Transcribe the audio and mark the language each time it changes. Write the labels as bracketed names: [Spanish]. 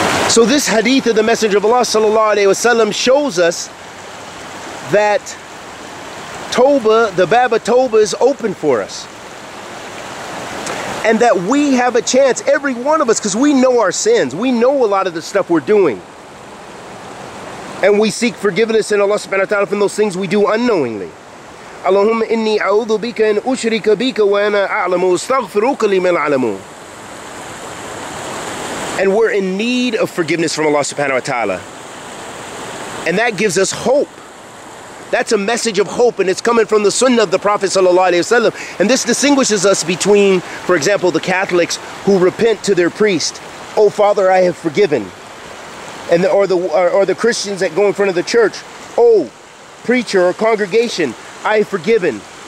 [English] So this hadith of the Messenger of Allah sallallahu alaihi wasallam shows us that Tawbah, the Bab of Tawbah, is open for us, and that we have a chance, every one of us, because we know our sins, we know a lot of the stuff we're doing, and we seek forgiveness in Allah subhanahu wa ta'ala from those things we do unknowingly. [Arabic] اللهم إني أعوذ بك أن أشرك بك وأنا أعلم استغفرك لمن أعلم. [English] And we're in need of forgiveness from Allah subhanahu wa ta'ala, and that gives us hope. That's a message of hope, and it's coming from the Sunnah of the Prophet sallallahu alaihi wasallam. And this distinguishes us between, for example, the Catholics who repent to their priest, "Oh Father, I have forgiven," and the Christians that go in front of the church, "Oh preacher or congregation, I have forgiven."